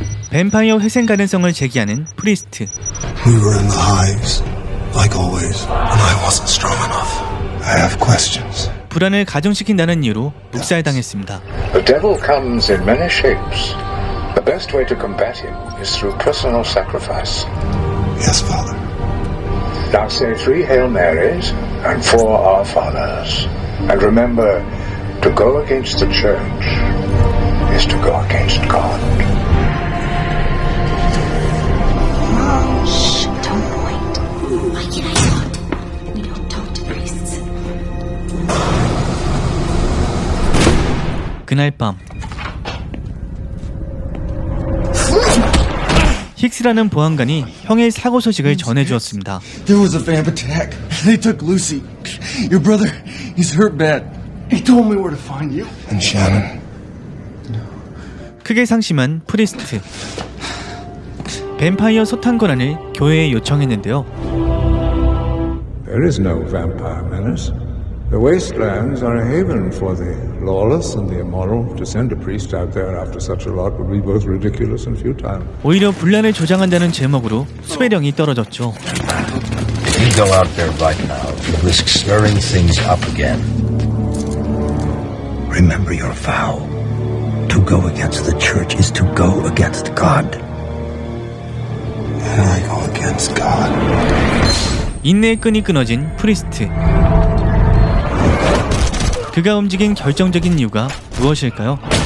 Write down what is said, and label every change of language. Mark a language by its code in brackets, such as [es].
[ko] 뱀파이어 회생 가능성을 제기하는 프리스트. [en] We were in the hives, like always, and I wasn't strong enough. I have questions. [ko] 불안을 가중시킨다는 이유로 묵살당했습니다. [en] The devil comes in many shapes. The best way to combat him is through personal sacrifice. Yes, Father. Now say three Hail Marys and four Our Fathers. And remember, to go against the church is to go against God. [ko] 그날 밤 힉스라는 보안관이 형의 사고 소식을 전해주었습니다. [en] There was a vamp attack. They took Lucy. Your brother, he's hurt bad. He told me where to find you. And Shannon. [ko] 크게 상심한 프리스트. 뱀파이어 소탕권한을 교회에 요청했는데요. [en] There is no vampire menace. The wastelands are a haven for the lawless and the immoral. To send a priest out there after such a lot would be both ridiculous and futile. [ko] 오히려 분란을 조장한다는 제목으로 수배령이 떨어졌죠. [en] We go out there right now. Risk stirring things up again. Remember your vow. To go against the church is to go against God. And I go against God. [ko] 인내의 끈이 끊어진 프리스트. 그가 움직인 결정적인 이유가 무엇일까요?